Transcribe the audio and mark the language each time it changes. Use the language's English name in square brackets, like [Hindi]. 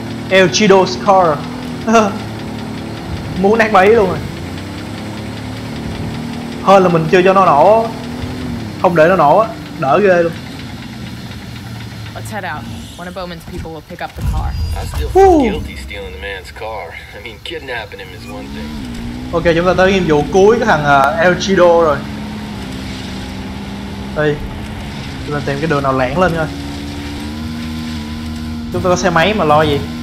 [English] El Chido's car. [Vietnamese] Muốn nát bấy luôn rồi. Hơn là mình chưa cho nó nổ. Không để nó nổ á, đỡ ghê luôn. [English] Let's head out. One of Bowman's people will pick up the car. I still feel guilty stealing the man's car. I mean, kidnapping him is one thing. [Vietnamese] Ok, chúng ta tới nhiệm vụ cuối của thằng El Chido rồi. Đây. Chúng ta tìm cái đường nào lẻn lên coi. Chúng ta có xe máy mà lo gì.